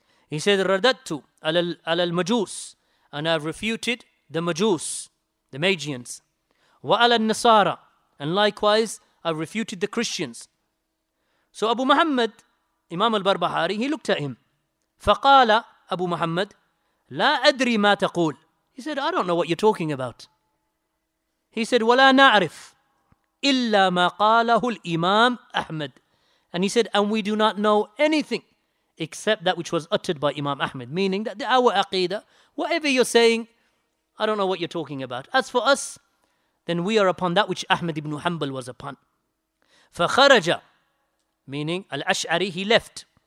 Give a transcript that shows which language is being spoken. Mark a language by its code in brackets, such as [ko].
[en] He said, [ar] "Radattu ala al-Majus," [en] and I have refuted the Majus, the Magians. [ar] "Wa ala al-Nasara," [en] and likewise, I have refuted the Christians. So Abu Muhammad, Imam al-Barbaharee, he looked at him. [ar] Faqala Abu Muhammad, "La adri ma taqul." [en] He said, "I don't know what you're talking about." He said, [ar] وَلَا نَعْرِفْ إِلَّا مَا قَالَهُ الْإِمَامُ أَحْمَدُ. [en] And he said, and we do not know anything except that which was uttered by Imam Ahmed. Meaning that our aqeedah, whatever you're saying, I don't know what you're talking about. As for us, then we are upon that which Ahmed ibn Hanbal was upon. [ar] فَخَرَجَ, [en] meaning Al-Ash'ari, he left.